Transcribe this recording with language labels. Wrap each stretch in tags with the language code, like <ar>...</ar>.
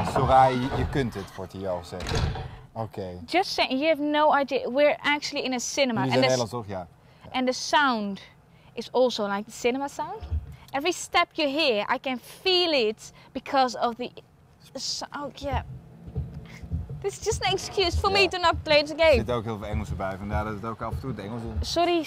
<nl>Soraya, you kunt het voor jou zeggen.</nl> <en>Okay. Just saying, you have no idea. We're actually in a cinema. And the sound is also like the cinema sound. Every step you hear, I can feel it because of the... This is just an excuse for me to not play the game.</en> <nl>Er zit ook heel veel Engels erbij, vandaar dat het ook af en toe het Engels doet.</nl>